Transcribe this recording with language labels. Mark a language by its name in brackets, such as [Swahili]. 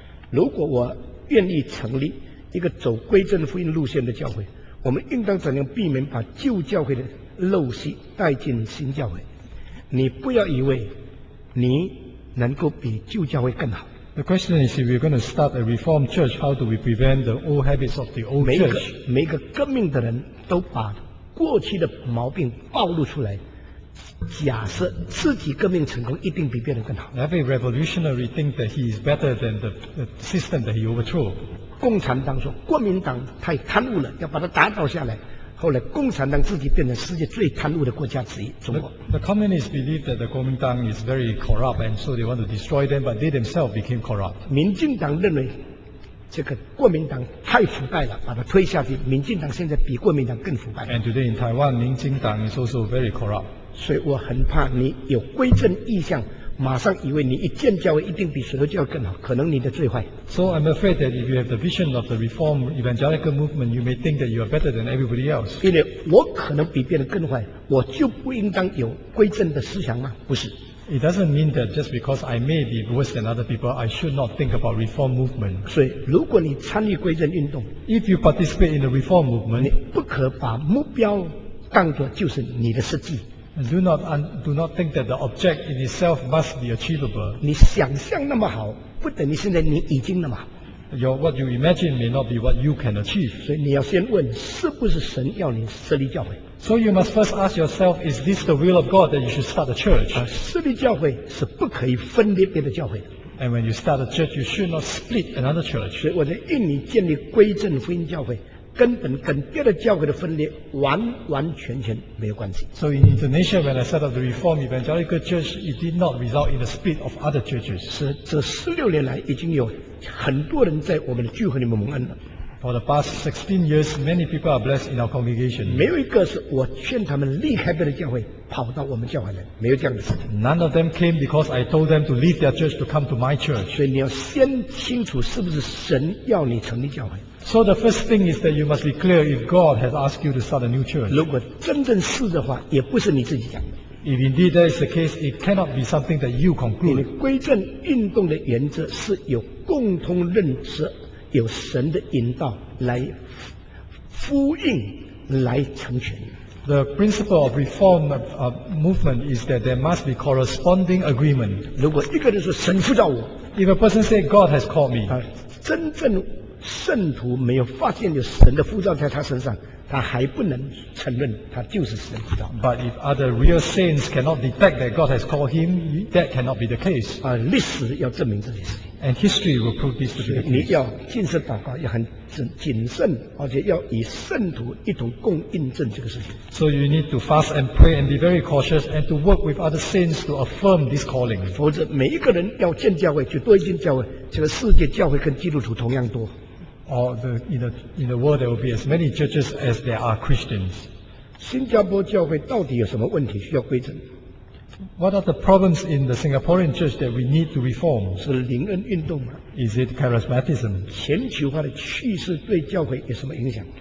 [Chinese] 如果我愿意成立一个走归正福音路线的教会，我们应当怎样避免把旧教会的陋习带进新教会？你不要以为你能够比旧教会更好。 [English] The question is, if we're going to start a reformed church, how do we prevent the old habits of the old church? [Chinese] 每个革命的人都把过去的毛病暴露出来，假设自己革命成功，一定比别人更好。 [English] Every revolutionary thinks that he is better than the system that he overthrew. [Chinese] 共产党说，国民党太贪污了，要把它打倒下来。后来共产党自己变成世界最贪污的国家之一，中国。 [English] The communists believe that the Kuomintang is very corrupt, and so they want to destroy them, but they themselves became corrupt. [Chinese] 民进党认为这个国民党太腐败了，把它推下去。民进党现在比国民党更腐败。 [English] And today in Taiwan, 民进党 is also very corrupt. [Chinese] 所以我很怕你有归正意向，马上以为你一建教会一定比石头教会更好，可能你的最坏。 [English] So I'm afraid that if you have the vision of the reform evangelical movement, you may think that you are better than everybody else. [Chinese] 因为我可能比别人更坏，我就不应当有归正的思想吗？不是。 [English] It doesn't mean that just because I may be worse than other people, I should not think about reform movement. [Chinese] 所以如果你参与归正运动， [English] if you participate in the reform movement, [Chinese] 你不可把目标当作就是你的实际。 [English] Do not think that the object in itself must be achievable. [Chinese] 你想象那么好，不等于现在你已经那么好。 [English] What you imagine may not be what you can achieve. [Chinese] 所以你要先问，是不是神要你设立教会？ [English] So you must first ask yourself, is this the will of God that you should start a church? [Chinese] 设立教会是不可以分裂别的教会的。 [English] And when you start a church, you should not split another church. [Chinese] 所以我在印尼建立归正福音教会。根本跟别的教会的分裂完完全全没有关系。 [English] So in Indonesia, when I set up the Reform Evangelical Church, it did not result in the split of other churches. [Chinese] 是这十六年来已经有很多人在我们的聚会里面蒙恩了。 [English] For the past 16 years, many people are blessed in our congregation. [Chinese] 没有一个是我劝他们离开别的教会跑到我们教会来，没有这样的事情。 [English] None of them came because I told them to leave their church to come to my church. [Chinese] 所以你要先清楚是不是神要你成立教会。 [English] So the first thing is that you must be clear if God has asked you to start a new church. [Chinese] 如果真正是的话，也不是你自己讲的。 [English] If indeed that is the case, it cannot be something that you conclude. [Chinese] 因为归正运动的原则是有共同认识，有神的引导来呼应，来成全。 [English] The principle of reform movement is that there must be corresponding agreement. [Chinese] 如果一个人说神呼召我 [English] ，If a person says God has called me, [Chinese] 真正圣徒没有发现有神的呼召在他身上，他还不能承认他就是神呼召。 [English] But if other real saints cannot detect that God has called him, that cannot be the case. [Chinese] 历史要证明这件事。 [English] And history will prove this to be the case. [Chinese] 你要进行祷告，要很谨慎，而且要与圣徒一同共印证这个事情。 [English] So you need to fast and pray and be very cautious and to work with other saints to affirm this calling. [Chinese] 否则每一个人要建教会，就多一间教会，这个世界教会跟基督徒同样多。 [English] Or in the world there will be as many churches as there are Christians. [Chinese] 新加坡教会到底有什么问题需要归正？ [English] What are the problems in the Singaporean church that we need to reform? [Chinese] 是灵恩运动吗？ [English] Is it charismatism? [Chinese] 全球化的趋势对教会有什么影响？